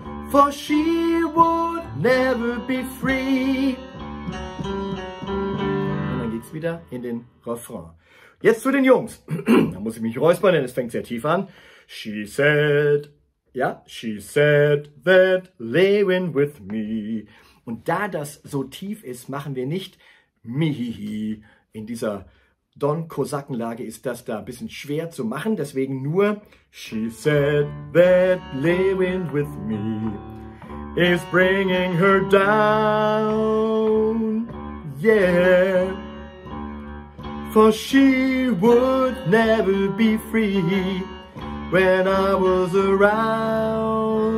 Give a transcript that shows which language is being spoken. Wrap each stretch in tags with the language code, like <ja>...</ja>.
<en>For she would never be free.</en> <de>Und dann geht's wieder in den Refrain. Jetzt zu den Jungs. Da muss ich mich räuspern, denn es fängt sehr tief an.</de> <en>She said, ja, she said that living with me.</en> <de>Und da das so tief ist, machen wir nicht mihihi. In dieser Don-Kosaken-Lage ist das da ein bisschen schwer zu machen. Deswegen nur,</de> <en>she said that living with me is bringing her down, yeah. For she would never be free when I was around.</en>